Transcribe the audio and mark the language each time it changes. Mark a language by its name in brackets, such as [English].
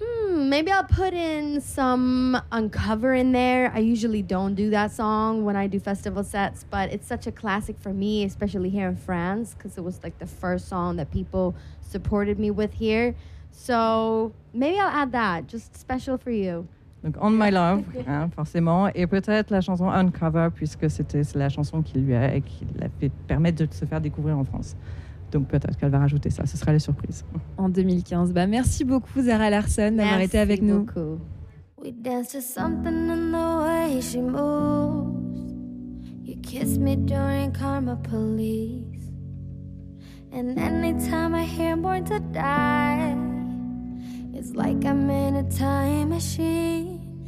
[English] maybe I'll put in some Uncover in there. I usually don't do that song when I do festival sets, but it's such a classic for me, especially here in France, because it was like the first song that people supported me with here. So maybe I'll add that, just special for you. [French] Donc On My Love, hein, forcément, et peut-être la chanson Uncover, puisque c'est la chanson qui l'a fait permettre de se faire découvrir en France. Donc peut-être qu'elle va rajouter ça, ce sera la surprise. En 2015. Bah, merci beaucoup Zara Larsson d'avoir merci été avec beaucoup. Nous. [English] We danced to something in the way she moves. You kiss me during karma police. And anytime I hear born to die, it's like I'm in a time machine.